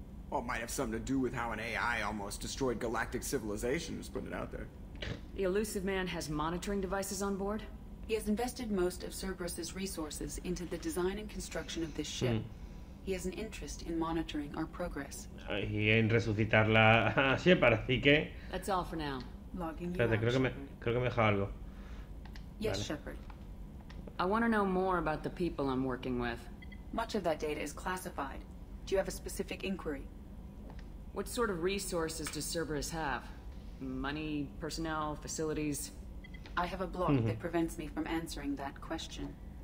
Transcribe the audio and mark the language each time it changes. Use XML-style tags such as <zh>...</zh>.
<en>Well, it might have something to do with how an AI almost destroyed galactic civilization, just putting it out there. The elusive man has monitoring devices on board? He has invested most of Cerberus's resources into the design and construction of this ship. Mm. He has an interest in monitoring our progress.</en> <es>Y en resucitar la Shepard, así que...</es> <en>That's all for now.</en> <es>Espérate, creo que me dejó algo. Yes, vale. Shepard.</es> <en>I want to know more about the people I'm working with. Much of that data is classified. Do you have a specific inquiry? What sort of resources does Cerberus have? Money, personnel, facilities? I have a block that prevents me from answering that question.</en>